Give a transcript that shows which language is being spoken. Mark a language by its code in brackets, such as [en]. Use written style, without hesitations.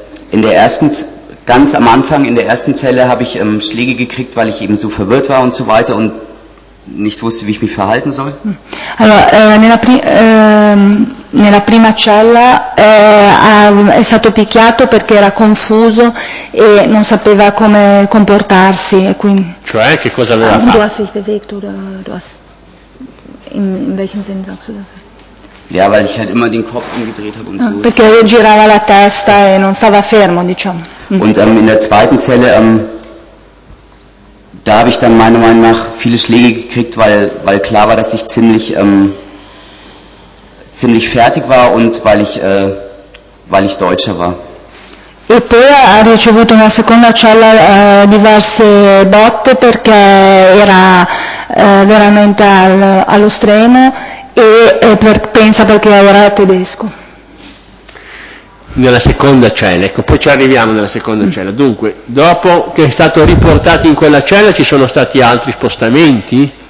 [de] In der ersten, ganz am Anfang in der ersten Zelle habe ich Schläge gekriegt, weil ich eben so verwirrt war und so weiter und nicht wusste, wie ich mich verhalten soll. [it] Allora, nella prima cella è stato picchiato perché era confuso e non sapeva come comportarsi. E quindi, cioè, che cosa aveva fatto? [de] Du hast dich bewegt oder du hast, in welchem Sinn sagst du das? Ja, weil ich halt immer den Kopf umgedreht habe und so. [it] Perché io girava la testa e non stava fermo, diciamo. [de] Und in der zweiten Zelle, da habe ich dann meiner Meinung nach viele Schläge gekriegt, weil klar war, dass ich ziemlich fertig war und weil ich Deutscher war. [it] E poi ha ricevuto nella seconda cella diverse botte perché era veramente allo stremo pensa perché era tedesco. Nella seconda cella, ecco, poi ci arriviamo nella seconda cella. Dunque, dopo che è stato riportato in quella cella, ci sono stati altri spostamenti?